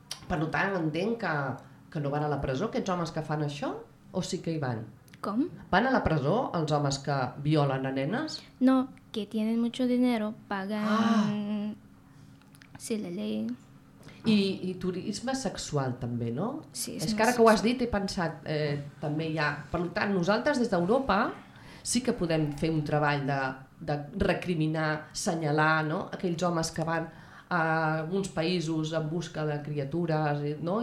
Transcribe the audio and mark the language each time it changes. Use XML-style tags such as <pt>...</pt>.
<ca>Per tant, entenc que no van a la presó aquests homes que fan això, o sí que hi van? Com? Van a la presó els homes que violen a nenes?</ca> <es>No, que tienen mucho dinero, pagan... Sí, la ley.</es> <ca>I turisme sexual també, no? Sí, és que ara que ho has dit he pensat, també hi ha... Per tant, nosaltres des d'Europa sí que podem fer un treball de recriminar, senyalar, no? Aquells homes que van a alguns països en busca de criatures, no?</ca>